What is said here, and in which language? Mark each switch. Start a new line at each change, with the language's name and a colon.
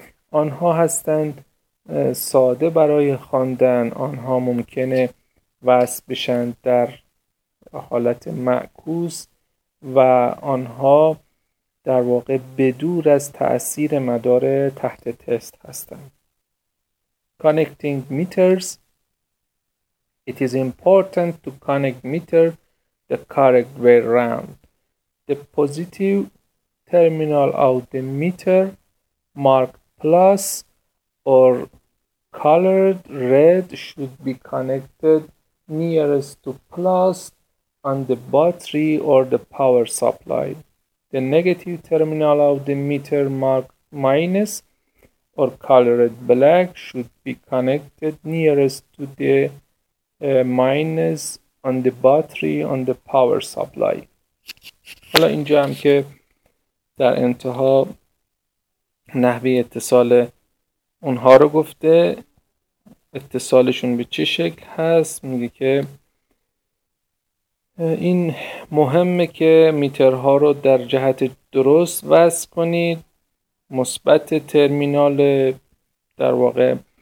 Persian: آنها هستند ساده برای خواندن، آنها ممکنه وصل بشن در حالت معکوس، و آنها در واقع بدور از تأثیر مدار تحت تست هستند.
English: Connecting meters. It is important to connect meter the correct way round. The positive terminal of the meter, marked plus or colored red, should be connected nearest to plus on the battery or the power supply. The negative terminal of the meter, marked minus or colored black, should be connected nearest to the minus on the battery on the power supply.
Persian: حالا اینجا هم که در انتها نحوه اتصال اونها رو گفته، اتصالشون به چه شکل هست، میگه که این مهمه که میترها رو در جهت درست وصل کنید، مثبت ترمینال در واقع